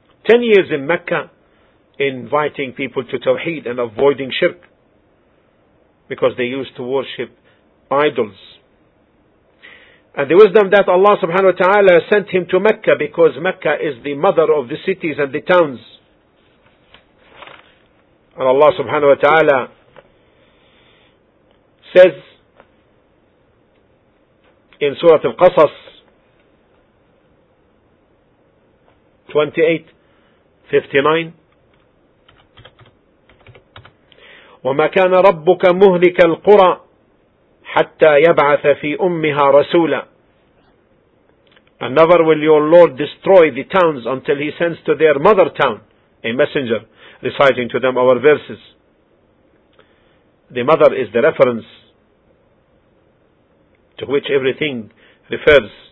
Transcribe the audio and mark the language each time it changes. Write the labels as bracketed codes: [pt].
[en] 10 years in Mecca, inviting people to tawheed and avoiding shirk, because they used to worship idols. And the wisdom that Allah subhanahu wa ta'ala sent him to Mecca, because Mecca is the mother of the cities and the towns. And Allah subhanahu wa ta'ala says in Surah Al-Qasas 28:59, [ar] وَمَا كَانَ رَبُّكَ مُهْلِكَ الْقُرَى حَتَّى يَبْعَثَ فِي أُمِّهَا رَسُولًا. [en] And never will your Lord destroy the towns until he sends to their mother town a messenger reciting to them our verses. The mother is the reference to which everything refers.